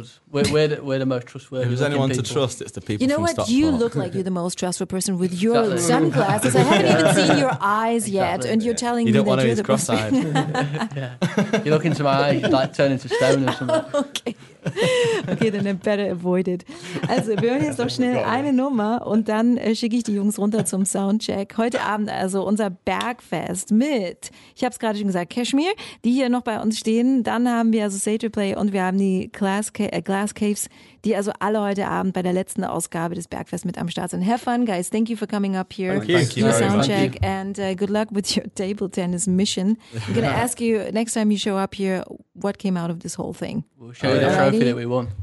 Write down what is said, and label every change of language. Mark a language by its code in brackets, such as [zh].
[en] We're the most trustworthy. If there's anyone people. To trust, it's the people. You know what? Stockport. You look like you're the most trustworthy person with your sunglasses. I haven't even seen your eyes yet. And you're telling you me that you're the cross-eyed. Person. You look into my eyes, you like turn into stone or something. Okay, then I better avoid it. [de] Also, wir hören jetzt noch schnell eine Nummer und dann schicke ich die Jungs runter zum Soundcheck. Heute Abend also unser Bergfest mit, ich habe es gerade schon gesagt, Kashmir, die hier noch bei uns stehen. Dann haben wir also Sage Play und wir haben die Glass Caves, die also alle heute Abend bei der letzten Ausgabe des Bergfests mit am Start sind. [en] Have fun, guys. Thank you for coming up here. Thank you. Your soundcheck and good luck with your table tennis mission. I'm going to ask you next time you show up here, what came out of this whole thing? We'll show you the trophy that we won.